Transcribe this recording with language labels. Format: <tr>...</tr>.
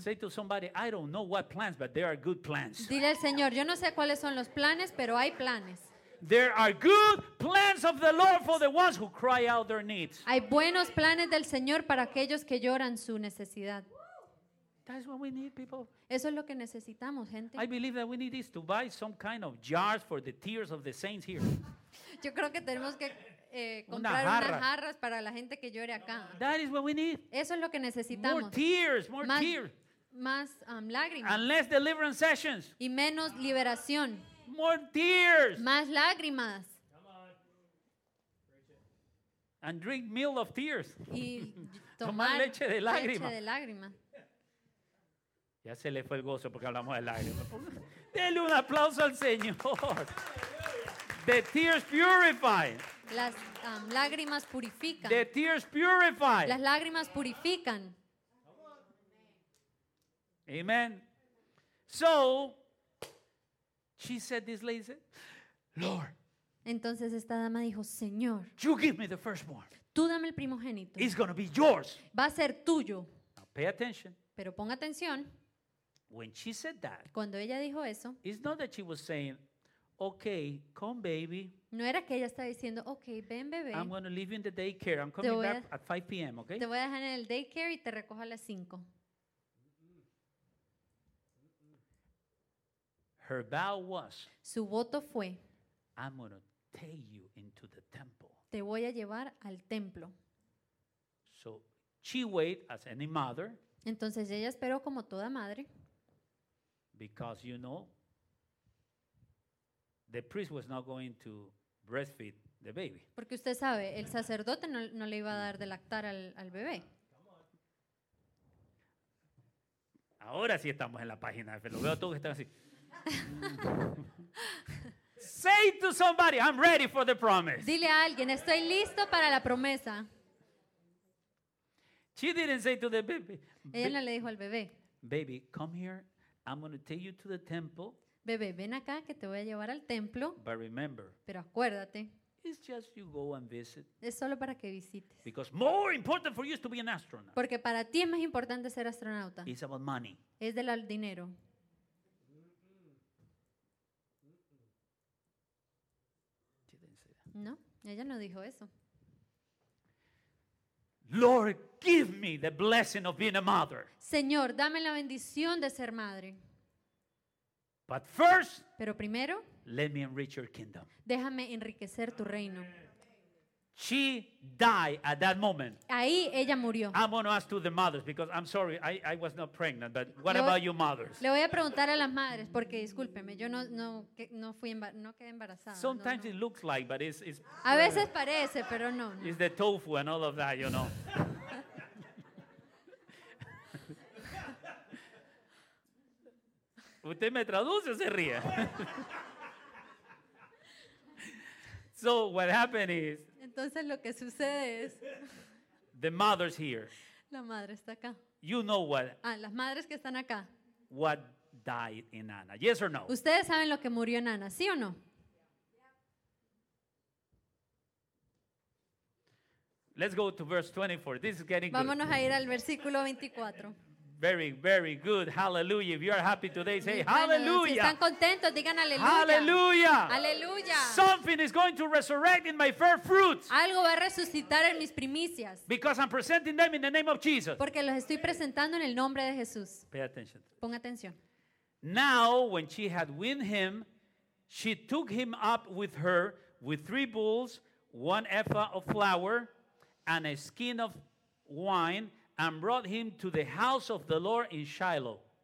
<en>Say to somebody, I don't know what plans, but there are good plans.</en> <es>Dile al Señor, yo no sé cuáles son los planes, pero hay planes.</es> <en>There are good plans of the Lord for the ones who cry out their needs.</en> <es>Hay buenos planes del Señor para aquellos que lloran su necesidad.</es> <en>That's what we need, people.</en> <es>Eso es lo que necesitamos, gente.</es> <en>I believe that we need this to buy some kind of jars for the tears of the saints here.</en> <es>Yo creo que tenemos que comprar unas jarras para la gente que llore acá.</es> <en>That is what we need.</en> <es>Eso es lo que necesitamos.</es> <en>More tears.</en> <es>Más lágrimas.</es> <en>And less deliverance sessions.</en> <es>Y menos liberación.</es> <en>More tears.</en> <es>Más lágrimas.</es> <en>And drink milk of tears.</en> <es>Y tomar leche de lágrimas. Ya se le fue el gozo porque hablamos de lágrimas. Dele un aplauso al Señor.</es> <en>The tears purify.</en> <es>Las lágrimas purifican.</es> <en>The tears purify.</en> <es>Las lágrimas purifican.</es> <en>Amen. So she said, this lady said, Lord.</en> <es>Entonces esta dama dijo, Señor.</es> <en>You give me the firstborn.</en> <es>Tú dame el primogénito.</es> <en>It's going to be yours.</en> <es>Va a ser tuyo.</es> <en>Now pay attention.</en> <es>Pero ponga atención.</es> <en>When she said that.</en> <es>Cuando ella dijo eso.</es> <en>It's not that she was saying, okay, come baby.</en> <es>No era que ella estaba diciendo, okay, ven bebé.</es> <en>I'm going to leave you in the daycare. I'm coming back at 5 p.m., okay?</en> <es>Te voy a dejar en el daycare y te recojo a las 5.</es> <en>Her vow was,</en> <es>su voto fue,</es> <en>I'm going to take you into the temple.</en> <es>Te voy a llevar al templo.</es> <en>So she waited as any mother.</en> <es>Entonces ella esperó como toda madre.</es> <en>Because you know, the priest was not going to breastfeed the baby.</en> <es>Porque usted sabe, el sacerdote no le iba a dar de lactar al bebé. Ahora sí estamos en la página, lo veo todo que están así.</es> <en>Say to somebody, I'm ready for the promise.</en> <es>Dile a alguien, estoy listo para la promesa.</es> <en>She didn't say to the baby.</en> <es>Ella no le dijo al bebé.</es> <en>Baby, come here. I'm going to take you to the temple.</en> <es>Bebé, ven acá que te voy a llevar al templo.</es> <en>But remember.</en> <es>Pero acuérdate.</es> <en>It's just you go and visit.</en> <es>Es solo para que visites.</es> <en>Because more important for you is to be an astronaut.</en> <es>Porque para ti es más importante ser astronauta.</es> <en>It's about money.</en> <es>Es del dinero. No, ella no dijo eso.</es> <en>Lord, give me the blessing of being a mother.</en> <es>Señor, dame la bendición de ser madre.</es> <en>But first,</en> <es>pero primero,</es> <en>let me enrich your kingdom.</en> <es>Déjame enriquecer tu reino.</es> <en>She died at that moment.</en> <es>Ahí ella murió.</es> <en>I'm going to ask to the mothers because I'm sorry, I was not pregnant, but what about you mothers?</en> <es>Le voy a preguntar a las madres porque discúlpeme, yo no quedé embarazada.</es> <en>Sometimes</en> <es>no.</es> <en>It looks like, but it's</en> <es>a veces parece, pero no.</es> <en>It's the tofu and all of that, you know.</en> <es>¿Usted me traduce o se ríe?</es> <en>So what happened is,</en> <es>entonces lo que sucede es,</es> <en>the mother's here.</en> <es>La madre está acá.</es> <en>You know what?</en> <es>Las madres que están acá.</es> <en>What died in Anna? Yes or no?</en> <es>Ustedes saben lo que murió en Anna, ¿sí o no?</es> <en>Let's go to verse 24. This is getting good.</en> <es>Vámonos a ir al versículo 24.</es> <en>Very, very good. Hallelujah. If you are happy today, say hallelujah.</en> <es>Si están contentos, digan aleluya.</es> <en>Hallelujah. Hallelujah. Something is going to resurrect in my first fruits.</en> <es>Algo va a resucitar en mis primicias.</es> <en>Because I'm presenting them in the name of Jesus.</en> <es>Porque los estoy presentando en el nombre de Jesús.</es> <en>Pay attention.</en> <es>Pon atención.</es> <en>Now, when she had weaned him, she took him up with her with three bulls, one ephah of flour, and a skin of wine, and brought him to the house of the Lord in Shiloh.</en>